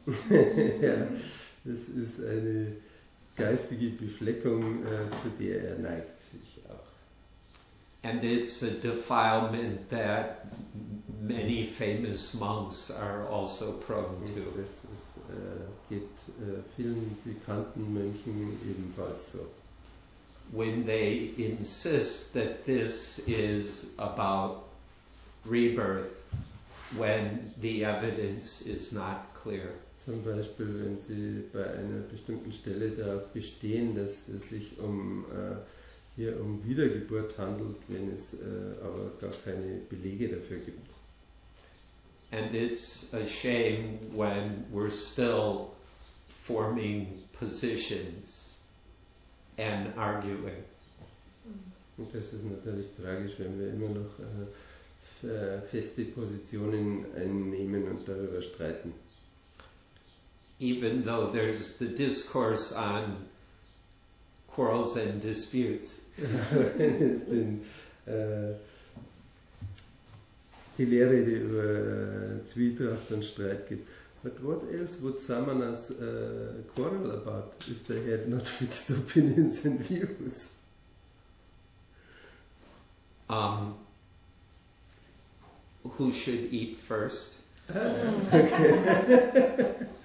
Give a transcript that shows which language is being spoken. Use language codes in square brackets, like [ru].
[de] Ja, das ist eine geistige Befleckung, zu der er neigt, ich auch. [en] And it's a defilement that many famous monks are also prone to. [de] Das geht vielen bekannten Mönchen ebenfalls so. [en] When they insist that this is about rebirth, when the evidence is not clear. [de] Zum Beispiel, wenn sie bei einer bestimmten Stelle darauf bestehen, dass es sich hier um Wiedergeburt handelt, wenn es aber gar keine Belege dafür gibt. [en] And it's a shame when we're still forming positions and arguing. [de] Und das ist natürlich tragisch, wenn wir immer noch feste Positionen einnehmen und darüber streiten. [en] Even though there's the discourse on quarrels and disputes. [de] Wenn es denn die Lehre, die über Zwietracht und Streit gibt. [en] But what else would Samanas quarrel about if they had not fixed opinions and views? Who should eat first? Okay.